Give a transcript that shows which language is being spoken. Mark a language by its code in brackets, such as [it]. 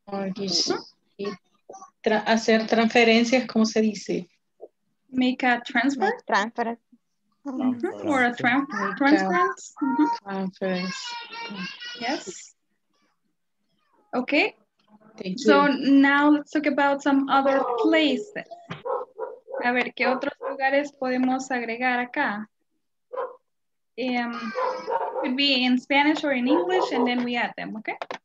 [es] Mortgage. Hacer transferencias, ¿cómo se dice? [en] Make a transfer. Transfer. Mm-hmm. Or a transference. Mm-hmm. Transference. Yes. Okay. Thank you. So now let's talk about some other places. [es] A ver, ¿qué otros lugares podemos agregar acá? [en] Could be in Spanish or in English, and then we add them, okay?